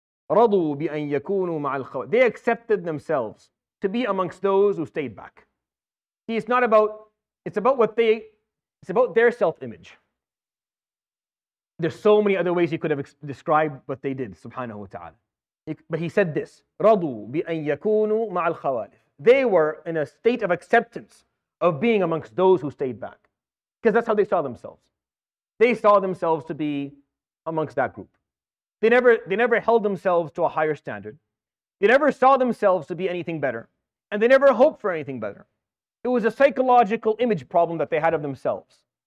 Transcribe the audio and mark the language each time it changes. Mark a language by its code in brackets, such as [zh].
[ar] رَضُوا بِأَنْ يَكُونُوا مَعَ الْخَوَالِفِ. [en] They accepted themselves to be amongst those who stayed back. See, it's about their self-image. There's so many other ways he could have described what they did, subhanahu wa ta'ala. But he said this, [ar] رَضُوا بِأَنْ يَكُونُوا مَعَ الْخَوَالِفِ. [en] They were in a state of acceptance of being amongst those who stayed back. Because that's how they saw themselves. They saw themselves to be amongst that group. They never held themselves to a higher standard. They never saw themselves to be anything better. And they never hoped for anything better. It was a psychological image problem that they had of themselves.